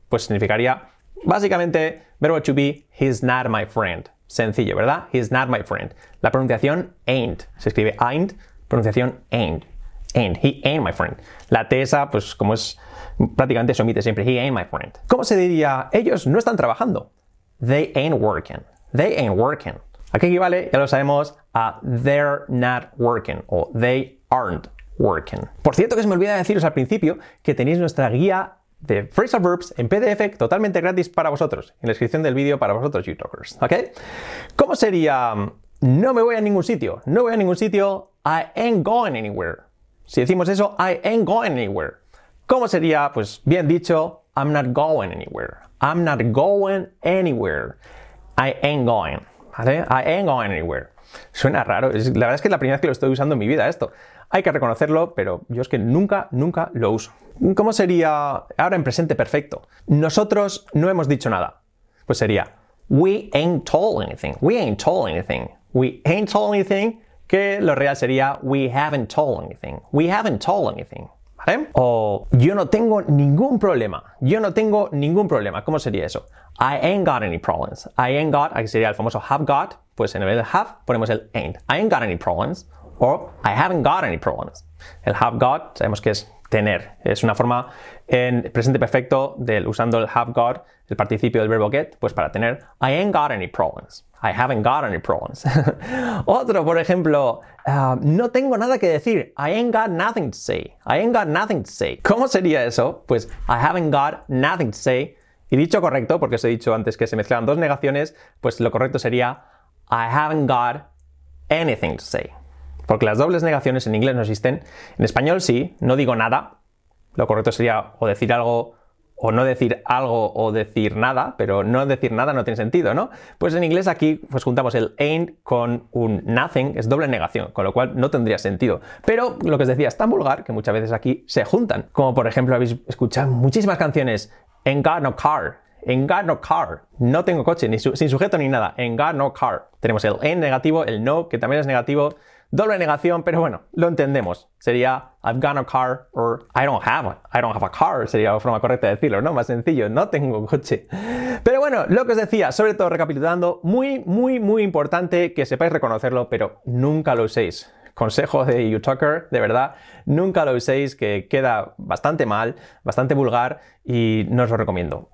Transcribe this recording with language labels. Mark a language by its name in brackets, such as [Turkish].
[Spanish] Pues significaría, básicamente, verbo [English] to be, he's not my friend. [Spanish] Sencillo, ¿verdad? [English] He's not my friend. [Spanish] La pronunciación [English] ain't. [Spanish] Se escribe [English] ain't, pronunciación ain't. Ain't. He ain't my friend. [Spanish] La tesa, pues como es, prácticamente se omite siempre. [English] He ain't my friend. [Spanish] ¿Cómo se diría? Ellos no están trabajando. [English] They ain't working. They ain't working. [Spanish] ¿A qué equivale? Ya lo sabemos a [English] they're not working o they aren't working. [Spanish] Por cierto, que se me olvida deciros al principio que tenéis nuestra guía de phrasal verbs en PDF totalmente gratis para vosotros, en la descripción del vídeo para vosotros, YouTubers, ¿ok? ¿Cómo sería no me voy a ningún sitio? No voy a ningún sitio, [English] I ain't going anywhere. [Spanish] Si decimos eso, [English] I ain't going anywhere. [Spanish] ¿Cómo sería, pues bien dicho, [English] I'm not going anywhere? I'm not going anywhere. I ain't going, [Spanish] ¿vale? [English] I ain't going anywhere. [Spanish] Suena raro, la verdad es que es la primera vez que lo estoy usando en mi vida esto. Hay que reconocerlo, pero yo es que nunca lo uso. ¿Cómo sería ahora en presente perfecto? Nosotros no hemos dicho nada. Pues sería [English] we ain't told anything. We ain't told anything. We ain't told anything. [Spanish] Que lo real sería [English] we haven't told anything. We haven't told anything. [Spanish] ¿Vale? O yo no tengo ningún problema. Yo no tengo ningún problema. ¿Cómo sería eso? [English] I ain't got any problems. I ain't got, [Spanish] aquí sería el famoso [English] have got. [Spanish] Pues en vez de have ponemos el ain't. [English] I ain't got any problems. Or I haven't got any problems. [Spanish] El have got sabemos que es tener. Es una forma en presente perfecto del usando el have got, el participio del verbo get, pues para tener. [English] I ain't got any problems. I haven't got any problems. [Spanish] Otro, por ejemplo, no tengo nada que decir. [English] I ain't got nothing to say. I ain't got nothing to say. [Spanish] ¿Cómo sería eso? [English] Pues I haven't got nothing to say. [Spanish] Y dicho correcto, porque os he dicho antes que se mezclaban dos negaciones, pues lo correcto sería [English] I haven't got anything to say. [Spanish] Porque las dobles negaciones en inglés no existen. En español sí, no digo nada. lo correcto sería o decir algo o no decir algo o decir nada, pero no decir nada no tiene sentido, ¿no? Pues en inglés aquí pues juntamos el ain't con un nothing, es doble negación, con lo cual no tendría sentido. Pero lo que os decía es tan vulgar que muchas veces aquí se juntan. Como por ejemplo habéis escuchado muchísimas canciones, [English] ain't got no car. Ain't got no car. [Spanish] No tengo coche, ni sin sujeto ni nada. [English] Ain't got no car. [Spanish] Tenemos el ain't negativo, el no, que también es negativo. Doble negación, pero bueno, lo entendemos. Sería [English] I've got no car or I don't have a car. [Spanish] Sería la forma correcta de decirlo, ¿no? Más sencillo, no tengo coche. Pero bueno, lo que os decía, sobre todo recapitulando, muy, muy, muy importante que sepáis reconocerlo, pero nunca lo uséis. Consejo de YouTalker, de verdad, nunca lo uséis, que queda bastante mal, bastante vulgar y no os lo recomiendo.